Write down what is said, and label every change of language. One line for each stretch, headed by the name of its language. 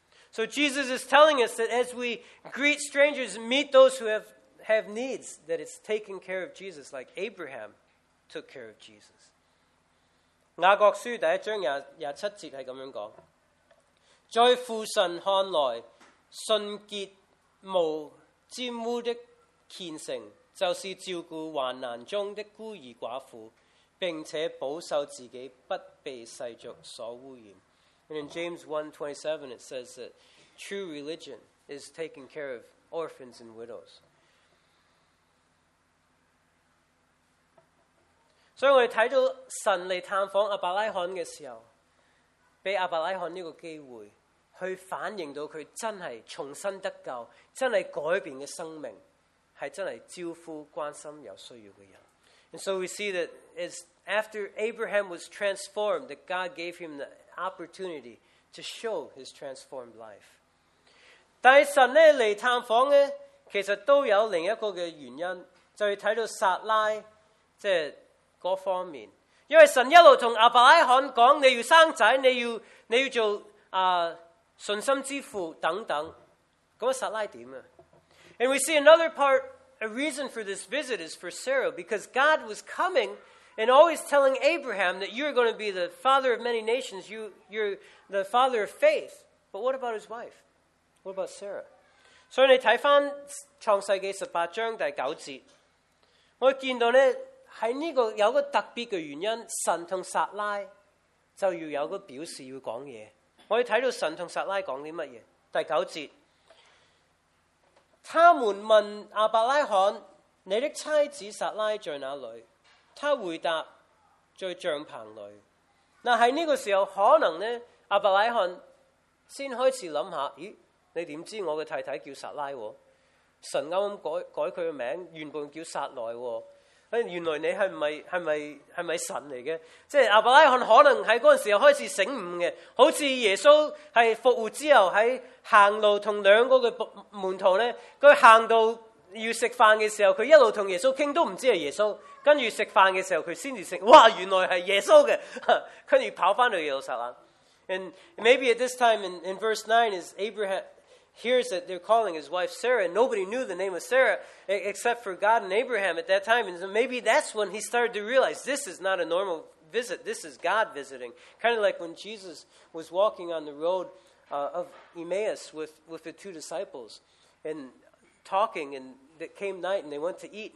English: So Jesus is telling us that as we greet strangers, meet those who have needs, that it's taking care of Jesus like Abraham took care of Jesus.
Chinese: 雅各书第一章27节是这样说，在父神看来，纯洁无玷污的虔诚，就是照顾患难中的孤儿寡妇，并且保守自己不被世俗所污染。
English: And in James 1:27 it says that true religion is taking care of orphans and widows.
Chinese: 所以我们看到神来探访亚伯拉罕的时候，给亚伯拉罕这个机会去反映到他真的重新得救，真的改变的生命，是真的招呼关心有需要的人。
English: And so we see that it's after Abraham was transformed that God gave him the opportunity to show his transformed life.
Chinese: 但神呢来探访呢，其实都有另一个原因，就是看到撒拉即是那方面。因为神一路跟亚伯拉罕讲，你要生仔，你要做信心之父等等。那撒拉怎样？
English: And we see another part. A reason for this visit is for Sarah, because God was coming and always telling Abraham that you're going to be the father of many nations, you're the father of faith. But what about his wife? What about Sarah? So, when we look at Chong Sai 18, 9, we see that there is a special reason for God and Sarah to have a declaration. We see that God and Sarah are talking about what?
Chinese: 9,他们问亚伯拉罕，你的妻子撒拉在哪里？他回答，在帐篷里。那在这个时候，可能呢，亚伯拉罕先开始想下，咦，你怎知道我的太太叫撒拉？神刚刚改她的名字，原本叫撒来，原来你是不是神来的？即是亚伯拉罕可能在那时候开始醒悟的，好像耶稣是复活之后在行路跟两个的门徒呢，他行到要吃饭的时候，他一路跟耶稣谈都不知道是耶稣，跟着吃饭的时候他才醒，哇，原来是耶稣的，跟着跑回到耶路撒冷。
English: And maybe at this time in verse 9 is Abraham hears that they're calling his wife Sarah. Nobody knew the name of Sarah except for God and Abraham at that time. And so maybe that's when he started to realize this is not a normal visit. This is God visiting. Kind of like when Jesus was walking on the road of Emmaus with the two disciples and talking, and it came night and they went to eat.